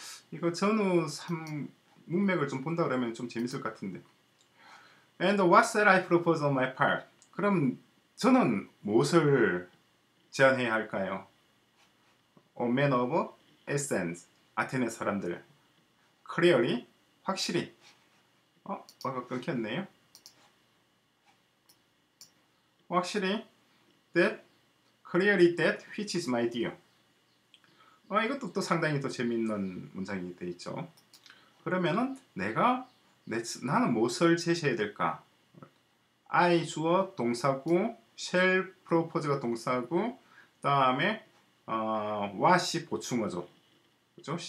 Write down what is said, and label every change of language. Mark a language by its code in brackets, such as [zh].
[ko] 이거 전후 문맥을 좀 본다 그러면 좀 재밌을 것 같은데. [en] And what shall I propose on my part? [ko] 그럼 저는 무엇을 제안해야 할까요? [en] A man of essence, [ko] 아테네 사람들. [en] Clearly, 확실히. [ko] 뭐가 끊겼네요. [en] 확실히, that, clearly that which is my due. [ko] 이것도 또 상당히 또 재밌는 문장이 되어 있죠. 그러면은 나는 무엇을 제시해야 될까? I 주어 동사고, shall propose가 동사고, 다음에 what이 보충어죠. 그죠?